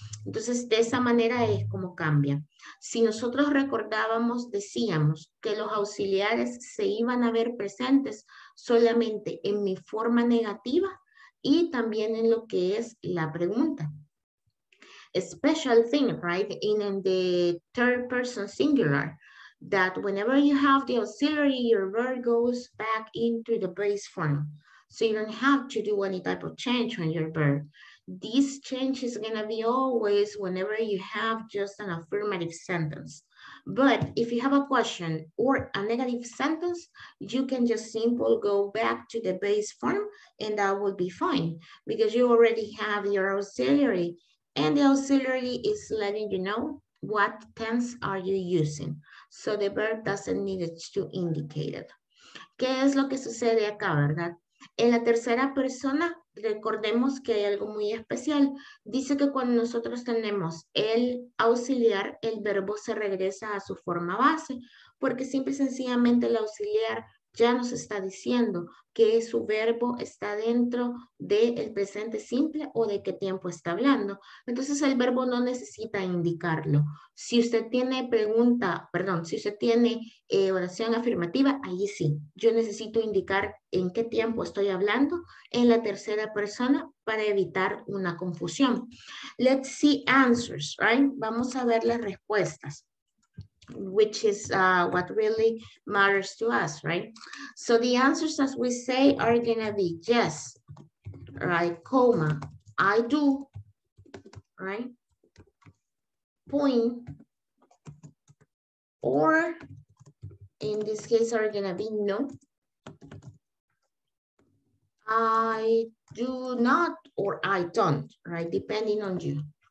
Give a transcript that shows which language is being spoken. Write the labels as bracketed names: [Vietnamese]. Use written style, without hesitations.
[Spanish] Entonces, de esa manera es como cambia. Si nosotros recordábamos, decíamos que los auxiliares se iban a ver presentes solamente en mi forma negativa y también en lo que es la pregunta. [English] A special thing, right? In the third person singular, that whenever you have the auxiliary, your verb goes back into the base form. So you don't have to do any type of change on your verb. This change is going to be always whenever you have just an affirmative sentence. But if you have a question or a negative sentence, you can just simply go back to the base form and that will be fine because you already have your auxiliary and the auxiliary is letting you know what tense are you using. So the verb doesn't need it to indicate it. [Spanish] ¿Qué es lo que sucede acá, verdad? En la tercera persona, recordemos que hay algo muy especial. Dice que cuando nosotros tenemos el auxiliar, el verbo se regresa a su forma base, porque simple y sencillamente el auxiliar ya nos está diciendo que su verbo está dentro del presente simple o de qué tiempo está hablando. Entonces el verbo no necesita indicarlo. Si usted tiene pregunta, perdón, si usted tiene oración afirmativa, ahí sí. Yo necesito indicar en qué tiempo estoy hablando en la tercera persona para evitar una confusión. [English] Let's see answers, right? [Spanish] Vamos a ver las respuestas. [English] Which is what really matters to us, right? So the answers, as we say, are going to be yes, right, comma, I do, right, point, or in this case are going to be no, I do not, or I don't, right, depending on you.